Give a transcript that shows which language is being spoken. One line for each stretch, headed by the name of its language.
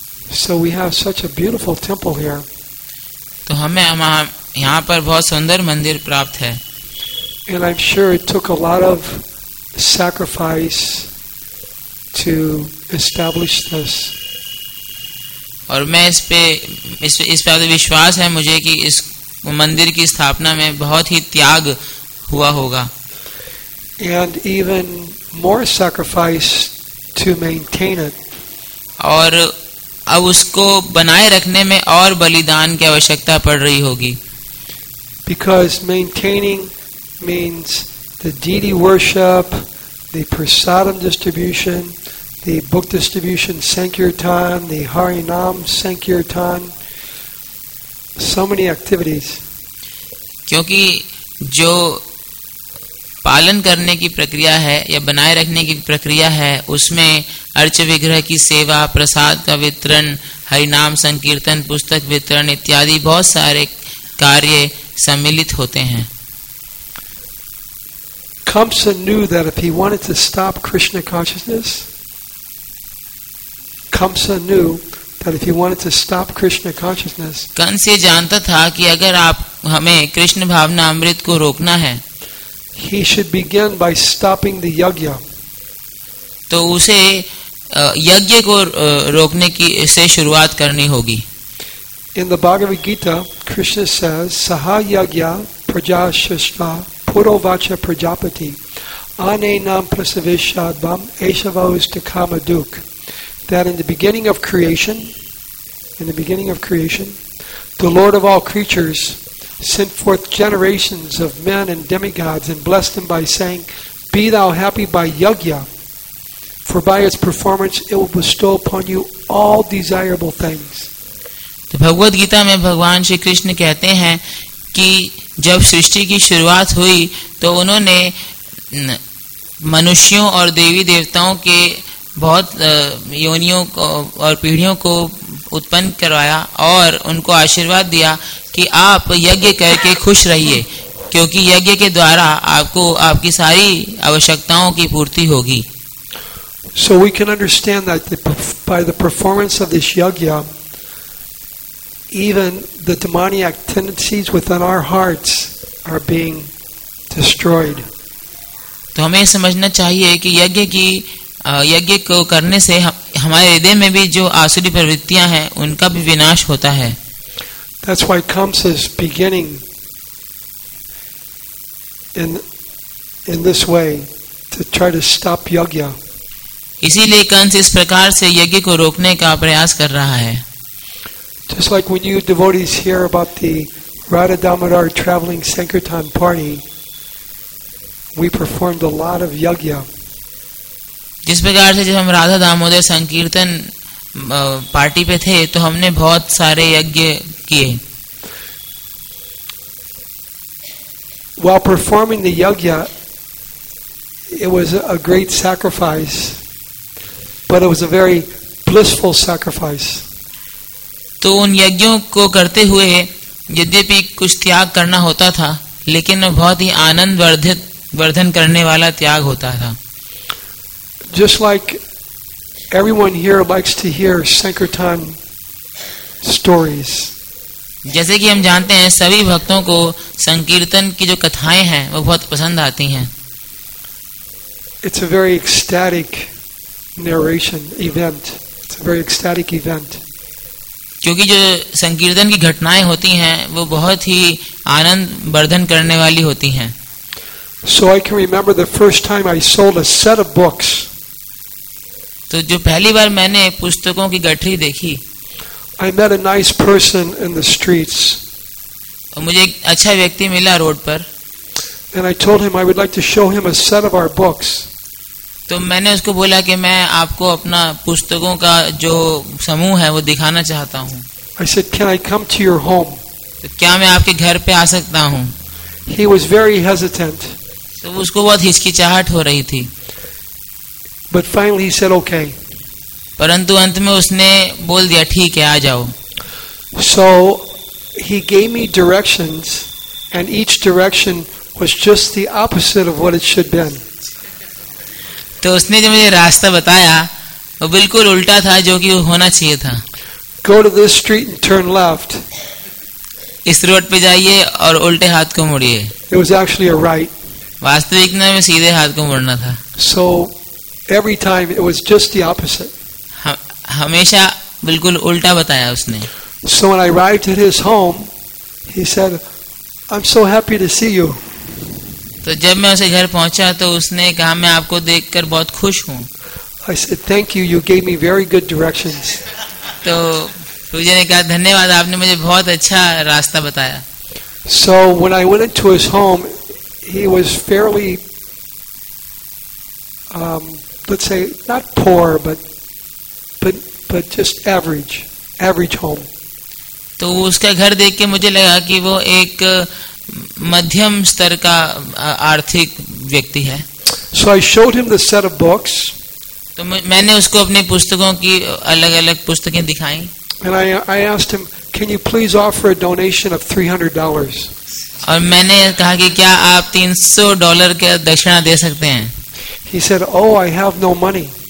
English: So we have such a beautiful temple here।
Hindi: तो हमें यहाँ पर बहुत सुंदर मंदिर प्राप्त है।
English: And I'm sure it took a lot of sacrifice to establish this।
Hindi: और मैं इस पे तो विश्वास है मुझे कि इस मंदिर की स्थापना में बहुत ही त्याग हुआ होगा।
English: And even more sacrifice to maintain it।
Hindi: और अब उसको बनाए रखने में और बलिदान की आवश्यकता पड़ रही होगी।
English: Because maintaining means the deity worship, the prasadam distribution, the book distribution Sankirtan, the Harinam Sankirtan, so many activities.
Hindi: क्योंकि जो पालन करने की प्रक्रिया है या बनाए रखने की प्रक्रिया है उसमें अर्च विग्रह की सेवा, प्रसाद का वितरण, हरिनाम संकीर्तन, पुस्तक वितरण इत्यादि बहुत सारे कार्य सम्मिलित होते हैं.
English: Kamsa knew that if he wanted to stop Krishna consciousness, Kamsa knew that if he wanted to stop Krishna consciousness,
Hindi: Kans ये जानता था कि अगर आप हमें कृष्ण भावना अमृत को रोकना है,
English: he should begin by stopping the yagya.
Hindi: तो उसे यज्ञ को रोकने की से शुरुआत करनी होगी.
English: In the Bhagavad Gita, Krishna says,
Sanskrit: "Saha yagya praja shastra purovacha prajapati ane nam prasavishadvam eshavos tikamaduk."
English: That in the beginning of creation, the Lord of all creatures sent forth generations of men and demigods and blessed them by saying, "Be thou happy by yagya, for by its performance it will bestow upon you all desirable things."
Hindi: तो भगवद गीता में भगवान श्री कृष्ण कहते हैं कि जब सृष्टि की शुरुआत हुई तो उन्होंने मनुष्यों और देवी देवताओं के बहुत योनियों को और पीढ़ियों को उत्पन्न करवाया और उनको आशीर्वाद दिया कि आप यज्ञ करके खुश रहिए क्योंकि यज्ञ के द्वारा आपको आपकी सारी आवश्यकताओं की पूर्ति होगी.
English: So we can understand that by the performance of this yagya, even the demoniac tendencies within our hearts are being destroyed.
Hindi: तो हमें समझना चाहिए कि यज्ञ की यज्ञ को करने से हमारे हृदय में भी जो आसुरी प्रवृत्तियां हैं उनका भी विनाश होता है.
English: That's why Kamsa is beginning in this way to try to stop yagya.
Hindi: इसीलिए कंस इस प्रकार से यज्ञ को रोकने का प्रयास कर रहा है.
English: Just like when you devotees hear about the Radha Damodar traveling Sankirtan party, we performed a lot of yagya.
Hindi: जिस प्रकार से जब हम राधा दामोदर संकीर्तन पार्टी पे थे तो हमने बहुत सारे यज्ञ किए.
English: While performing the yagya, it was a great sacrifice. But it was a very blissful sacrifice.
Hindi: तो उन यज्ञों को करते हुए यद्यपि कुछ त्याग करना होता था लेकिन बहुत ही आनंद वर्धन करने वाला त्याग होता था.
English: Just like everyone here likes to hear Sankirtan stories.
Hindi: जैसे कि हम जानते हैं सभी भक्तों को संकीर्तन की जो कथाएं हैं वो बहुत पसंद आती हैं.
English: It's a very ecstatic narration event. It's a very ecstatic event.
Hindi: क्योंकि जो संकीर्तन की घटनाएं होती हैं वो बहुत ही आनंद वर्धन करने वाली होती हैं.
English: So I can remember the first time I sold a set of books.
Hindi: तो जो पहली बार मैंने पुस्तकों की गठरी देखी,
English: I met a nice person in the streets.
Hindi: और मुझे एक अच्छा व्यक्ति मिला रोड पर.
English: And I told him I would like to show him a set of our books.
Hindi: तो मैंने उसको बोला कि मैं आपको अपना पुस्तकों का जो समूह है वो दिखाना चाहता हूँ.
English: I said, "Can I come to your home?"
Hindi: तो क्या मैं आपके घर पे आ सकता हूँ?
English: He was very hesitant.
Hindi: तो उसको बहुत हिचकिचाहट हो रही थी.
English: But finally he said, "Okay."
Hindi: परंतु अंत में उसने बोल दिया, ठीक है, आ जाओ.
English: So he gave me directions, and each direction was just the opposite of what it should been.
Hindi: तो उसने जो मुझे रास्ता बताया वो बिल्कुल उल्टा था जो कि होना चाहिए था.
English: Go to this street and turn left.
Hindi: इस रोड पे जाइए और उल्टे हाथ को मुड़िए.
English: It was actually a right.
Hindi: वास्तविकता में सीधे हाथ को मुड़ना था.
English: So every time it was just the opposite.
Hindi: हमेशा बिल्कुल उल्टा बताया उसने.
English: So when I arrived at his home, he said, "I'm so happy to see you."
Hindi: तो जब मैं उसे घर पहुंचा तो उसने कहा, मैं आपको देखकर बहुत खुश हूँ.
English: I said, "Thank you. You gave me very good directions."
Hindi: तो पूज्य ने कहा, धन्यवाद, आपने मुझे बहुत अच्छा रास्ता बताया.
English: So when I went into his home, he was fairly let's say, not poor, but just average home.
Hindi: तो उसका घर देख के मुझे लगा कि वो एक मध्यम स्तर का आर्थिक व्यक्ति है.
English: So I showed him the set of books.
Hindi: तो मैंने उसको अपनी पुस्तकों की अलग-अलग पुस्तकें दिखाई.
English: And I asked him, "Can you please offer a donation of $300?"
Hindi: और मैंने कहा कि क्या आप $300 का दक्षिणा दे सकते हैं?
English: He said, "Oh, I have no money."